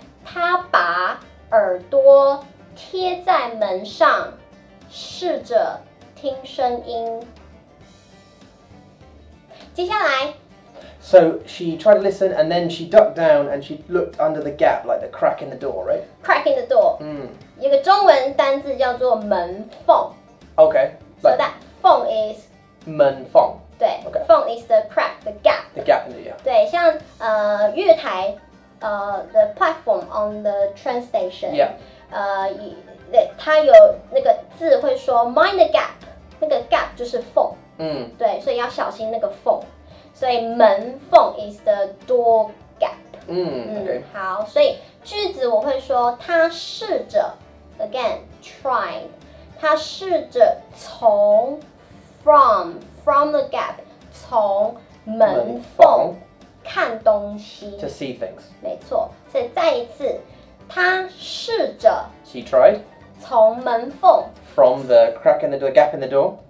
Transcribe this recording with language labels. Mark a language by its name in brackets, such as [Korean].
[Chinese] 他把耳朵贴在门上，试着听声音。接下来。 [English] So she tried to listen, and then she ducked down and she looked under the gap, like the crack in the door, right? Crack in the door. [Chinese] 有个中文单字叫做门缝。 [English] Okay. So that. 缝 is [Chinese] 门缝， [English] 对，缝、okay. is the crack, the gap. The gap, yeah. 对，像月台，the platform on the train station. Yeah. [Chinese] 它有那个字会说 [English] mind the gap, [Chinese] 那个 gap 就是缝。对，所以要小心那个缝。所以门缝 [English] is the door gap. Okay. [Chinese] 好，所以句子我会说他试着 [English] again tried. [Chinese] 他试着从 [English] from the gap [Chinese] 从门缝看东西 [English] to see things [Chinese] 没错，所以再一次，他试着 [English] she tried [Chinese] 从门缝 [English] from the crack in the door gap in the door